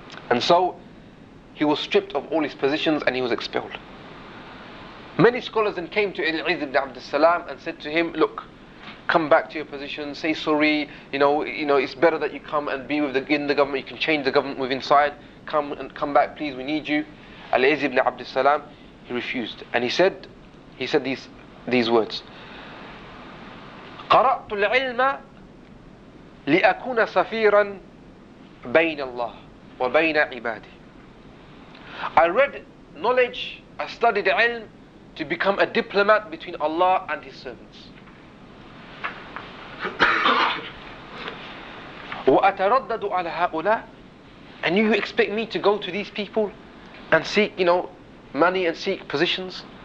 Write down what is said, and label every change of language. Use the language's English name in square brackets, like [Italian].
[English] And so he was stripped of all his positions and he was expelled. Many scholars then came to Al-Izz ibn Abd al-Salam and said to him, look, come back to your position, say sorry, you know, it's better that you come and be with in the government, you can change the government with inside, come back, please, we need you. Al-Izz ibn Abd al-Salam, he refused. [Arabic] And he said these words, قَرَأْتُ الْعِلْمَ لِأَكُونَ سَفِيرًا بَيْنَ اللَّهِ وَبَيْنَ عِبَادِهِ. [English] I read knowledge, I studied ilm to become a diplomat between Allah and His servants. [Arabic] وَأَتَرَدَّدُ عَلَى هَؤُلَاء. [English] And you expect me to go to these people and seek, you know, money and seek positions?